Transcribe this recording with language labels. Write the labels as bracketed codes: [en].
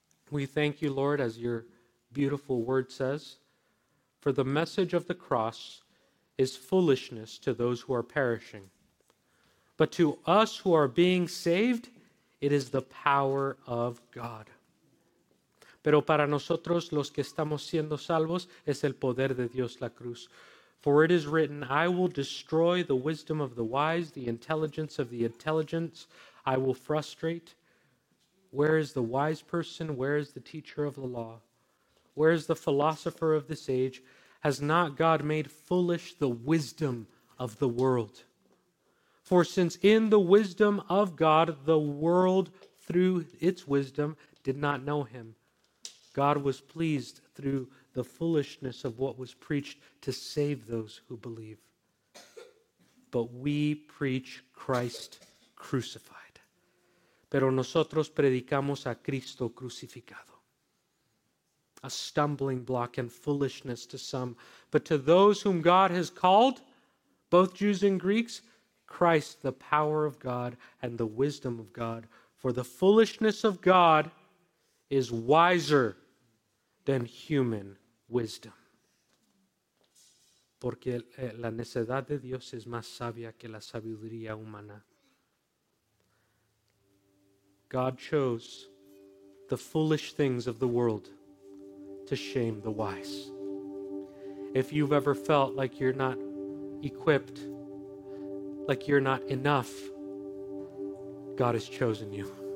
[en] We thank you, Lord, as your beautiful word says, for the message of the cross is foolishness to those who are perishing. But to us who are being saved, it is the power of God. [es] Pero para nosotros los que estamos siendo salvos, es el poder de Dios la cruz. [en] For it is written, I will destroy the wisdom of the wise, the intelligence of the intelligent, I will frustrate. Where is the wise person? Where is the teacher of the law? Where is the philosopher of this age? Has not God made foolish the wisdom of the world? For since in the wisdom of God, the world through its wisdom did not know him, God was pleased through the foolishness of what was preached to save those who believe. But we preach Christ crucified. [es] Pero nosotros predicamos a Cristo crucificado. [en] A stumbling block and foolishness to some, but to those whom God has called, both Jews and Greeks, Christ, the power of God and the wisdom of God. For the foolishness of God is wiser than human wisdom. [es] Porque la necedad de Dios es más sabia que la sabiduría humana. [en] God chose the foolish things of the world to shame the wise. If you've ever felt like you're not equipped, like you're not enough, God has chosen you.